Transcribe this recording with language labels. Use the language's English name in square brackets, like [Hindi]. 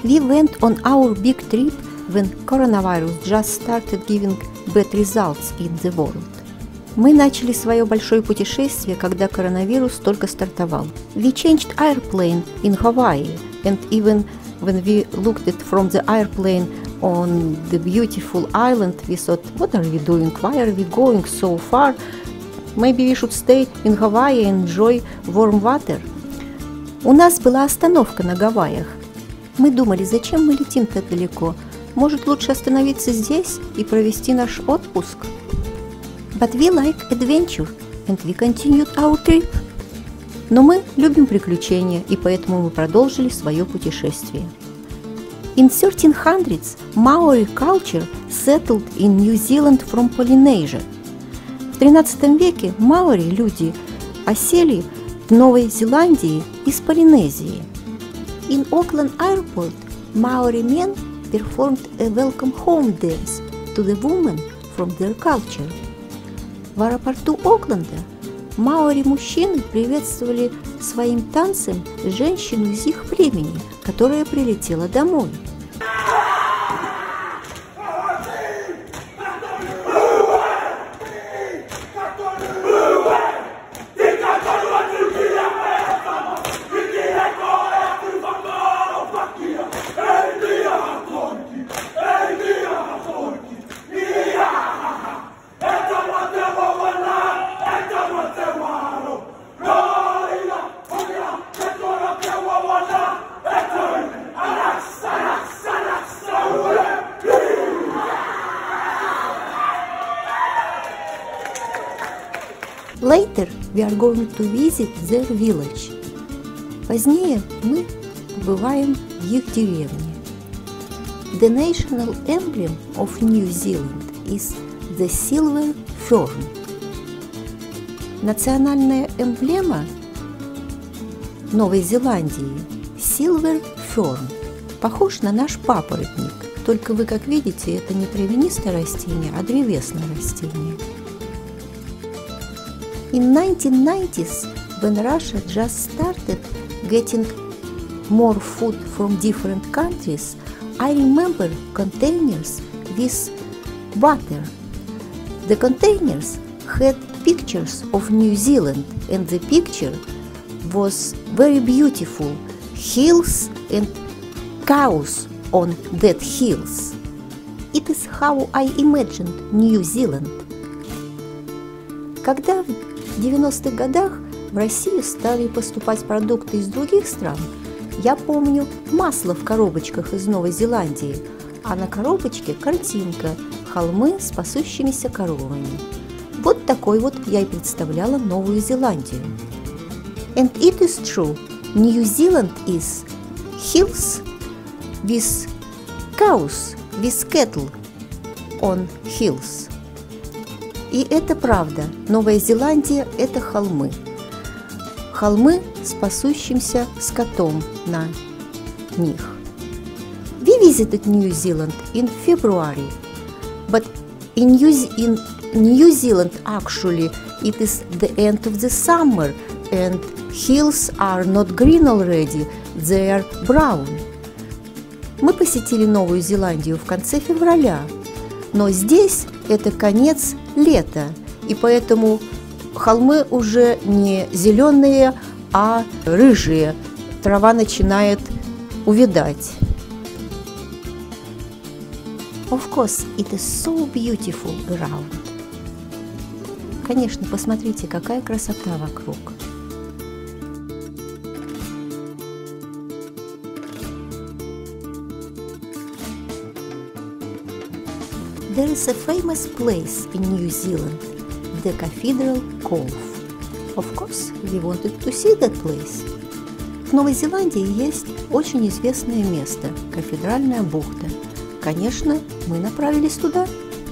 [English] went on our big trip when coronavirus just started giving bad results in the world. [Russian] Мы начали свое большое путешествие, когда коронавирус только стартовал. [English] We changed airplane in Hawaii, and even when we looked at from the airplane on the beautiful island, we thought, what are we doing? Why are we going so far? Maybe we should stay in Hawaii and enjoy warm water. [Russian] У нас была остановка на Гавайях. Мы думали, зачем мы летим так далеко? Может, лучше остановиться здесь и провести наш отпуск? [English] But we like adventure, and we continued our trip. [Russian] Но мы любим приключения, и поэтому мы продолжили свое путешествие. [English] In 1300s, Maori culture settled in New Zealand from Polynesia. [Russian] В 13 веке маори, люди, осели в Новой Зеландии из Полинезии. [English] In Auckland Airport, Maori men performed a welcome home dance to the women from their culture. [Russian] В аэропорту Окленда маори-мужчины приветствовали своим танцем женщину из их племени, которая прилетела домой. [English] Later we are going to visit their village. [Russian] Позднее мы побываем в их деревне. [English] The national emblem of New Zealand is the silver fern. [Russian] Национальная эмблема Новой Зеландии – silver fern. Похож на наш папоротник, только вы, как видите, это не травянистое растение, а древесное растение. [English] In 1990s, when Russia just started getting more food from different countries, I remember containers with water. The containers had pictures of New Zealand, and the picture was very beautiful. Hills and cows on that hills. It is how I imagined New Zealand. [Russian] Когда в 90-х годах в Россию стали поступать продукты из других стран. Я помню масло в коробочках из Новой Зеландии, а на коробочке картинка – холмы с пасущимися коровами. Вот такой вот я и представляла Новую Зеландию. [English] And it is true, New Zealand is hills with cows, with cattle on hills. [Russian] И это правда. Новая Зеландия – это холмы. Холмы с пасущимся скотом на них. [English] We visited New Zealand in February. But in New Zealand, actually, it is the end of the summer, and hills are not green already, they are brown. [Russian] Мы посетили Новую Зеландию в конце февраля, но здесь это конец лето, и поэтому холмы уже не зеленые, а рыжие. Трава начинает увядать. [English] Of course, it is so beautiful around. [Russian] Конечно, посмотрите, какая красота вокруг. [English] There is a famous place in New Zealand, the Cathedral Cove. Of course, we wanted to see that place. [Russian] В Новой Зеландии есть очень известное место – кафедральная бухта. Конечно, мы направились туда –